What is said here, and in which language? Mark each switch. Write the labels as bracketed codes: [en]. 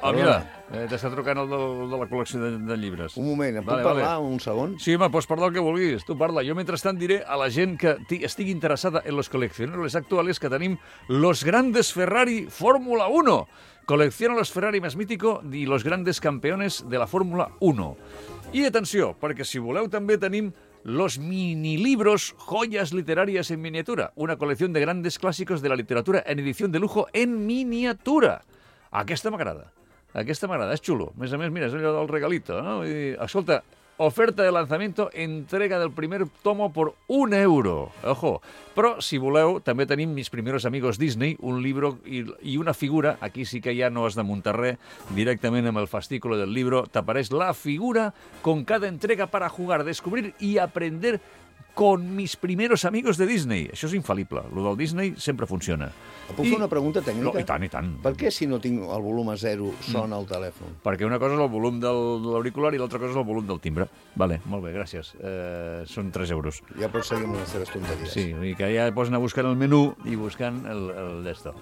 [ca] Oh, mira, t'està trucant el de la col·lecció de llibres. Un moment, em puc parlar un segon? Sí, home, pots parlar el que vulguis, tu parla. Jo, mentrestant, diré a la gent que estigui interessada en los coleccionadores actuales que tenim los grandes Ferrari Fórmula 1. [es] Colecciona los Ferrari más mítico y los grandes campeones de la Fórmula 1. I atenció, perquè si voleu també tenim los minilibros joyas literarias en miniatura, una colección de grandes clásicos de la literatura en edición de lujo en miniatura. Aquesta m'agrada. [ca] Aquesta m'agrada, és xulo. A més, mira, és allò del regalito, no? [es] I, escolta, oferta de lanzamiento, entrega del primer tomo por 1 euro. Ojo. [ca] Però, si voleu, també tenim Mis primeros amigos Disney, un libro i una figura. Aquí sí que ja no has de muntar res. Directament amb el fascículo del libro t'apareix la figura con cada entrega para jugar, descubrir y aprender con Mis primeros amigos de Disney. Això és infal·lible. Lo del Disney sempre funciona. Puc fer una pregunta tècnica? No, i tant, i tant. Per què, si no tinc el volum a zero, sona el telèfon? Perquè una cosa és el volum de l'auricular i l'altra cosa és el volum del timbre. Vale, molt bé, gràcies. Són 3 euros. Ja pots seguir amb les seves tonteries. Sí, i que ja pots anar buscant el menú i buscant el desktop.